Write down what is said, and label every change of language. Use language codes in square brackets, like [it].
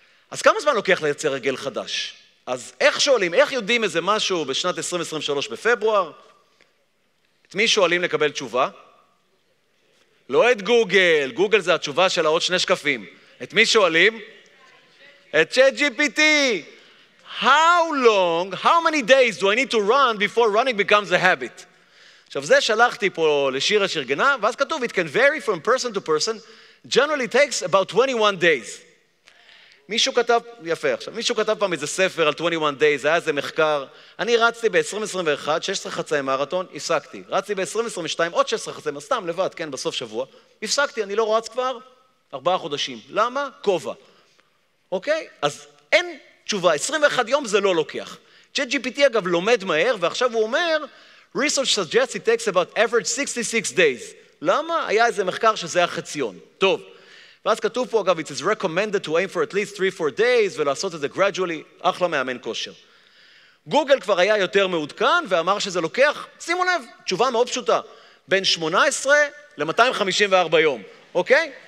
[he] אז כמה זמן לוקח לייצר הרגל חדש? אז איך שואלים, איך יודעים איזה משהו בשנת 2023 בפברואר? את מי שואלים לקבל תשובה? לא את גוגל, גוגל זה התשובה של עוד 2 שקפים. את מי שואלים? את ChatGPT. [en] How many days do I need to run before running becomes a habit? [he] עכשיו זה שלחתי פה לשיר השרגנה, ואז כתוב, [en] it can vary from person to person, generally takes about 21 days. [he] מישהו כתב, יפה עכשיו, מישהו כתב פעם איזה ספר על 21 days, היה איזה מחקר, אני רצתי ב-2021, 16 חצאי מרתון, הפסקתי. רצתי ב-2022, עוד 16 חצאי מרתון, סתם לבד, כן, בסוף שבוע, הפסקתי, אני לא רץ כבר 4 חודשים. למה? כובע. אוקיי? אז אין תשובה. 21 יום זה לא לוקח. [en] ChatGPT [he] אגב לומד מהר, ועכשיו הוא אומר, [en] Research suggests it takes about average 66 days. [he] למה? היה איזה מחקר שזה החציון. טוב. ואז כתוב פה אגב, [en] it is recommended to aim for at least 3-4 days, [he] ולעשות את זה gradually, אחלה מאמן כושר. גוגל כבר היה יותר מעודכן, ואמר שזה לוקח, שימו לב, תשובה מאוד פשוטה, בין 18 ל-254 יום, אוקיי?